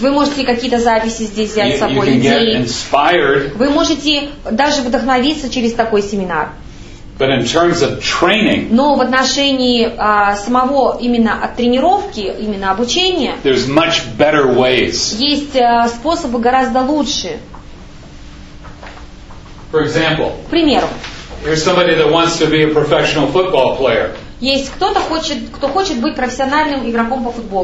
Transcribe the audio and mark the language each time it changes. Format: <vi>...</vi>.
<ru>Вы можете какие-то записи здесь взять с собой, идеи. Вы можете даже вдохновиться через такой семинар.</ru> <en>But in terms of training,</en> <ru>но в отношении самого именно от тренировки, именно обучения,</ru> <en>there's much better ways.</en> <ru>Есть способы гораздо лучше.</ru> <en>For example,</en> <ru>к примеру,</ru> <en>here's somebody that wants to be a professional football player.</en> <ru>Есть кто-то, кто хочет быть профессиональным игроком по футболу.</ru>